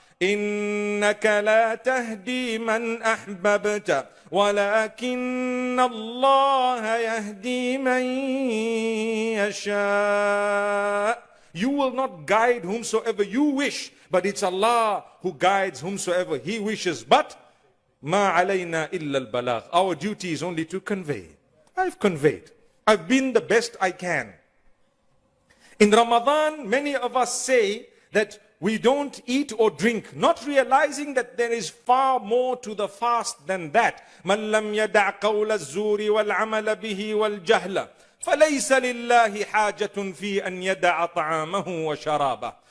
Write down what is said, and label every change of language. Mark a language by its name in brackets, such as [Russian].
[Arabic] إِنَّكَ لَا تَهْدِي مَنْ أَحْبَبْتَ وَلَكِنَّ اللَّهَ يَهْدِي مَنْ يَشَاءُ. [English] You will not guide whomsoever you wish, but it's Allah who guides whomsoever He wishes. [Arabic] But مَا عَلَيْنَا إِلَّا الْبَلَاغِ. [English] Our duty is only to convey. I've conveyed. I've been the best I can. In Ramadan, many of us say that we don't eat or drink, not realizing that there is far more to the fast than that. [Arabic] مَنْ لَمْ يَدَعْ قَوْلَ الزُّورِ وَالْعَمَلَ بِهِ وَالْجَهْلَ فَلَيْسَ لِلَّهِ حَاجَةٌ فِي أَنْ يَدَعَ طَعَامَهُ وَشَرَابَهُ.